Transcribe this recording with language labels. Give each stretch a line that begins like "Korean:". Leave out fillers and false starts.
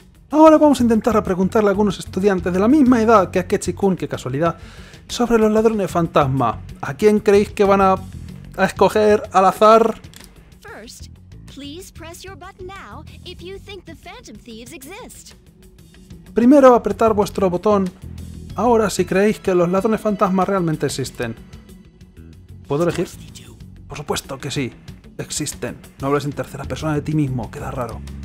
Spanish: Ahora vamos a intentar a preguntarle a algunos estudiantes de la misma edad que Akechi-kun, qué casualidad, sobre los ladrones fantasma. ¿A quién creéis que van a escoger al azar?
English: First, please press your button now if you think the phantom thieves exist.
Spanish: Primero apretar vuestro botón ahora si creéis que los ladrones fantasma realmente existen. ¿Puedo elegir? Por supuesto que sí. Existen. No hables en tercera persona de ti mismo, queda raro.